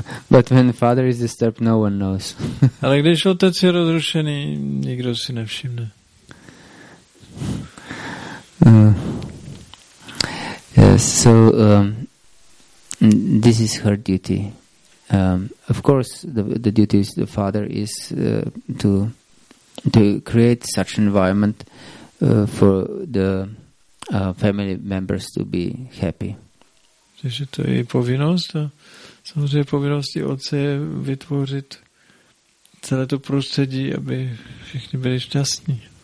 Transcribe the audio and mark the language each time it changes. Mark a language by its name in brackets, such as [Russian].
[English] But when the father is disturbed, no one knows. [Czech] Ale když otec je rozrušený, nikdo si nevšimne. [English] This is her duty. Of course, the duty of the father is to create such an environment for the family members to be happy. [Czech] Takže to je povinnost. Samozřejmě povinnost otce je vytvořit celé to prostředí, aby všichni byli šťastní.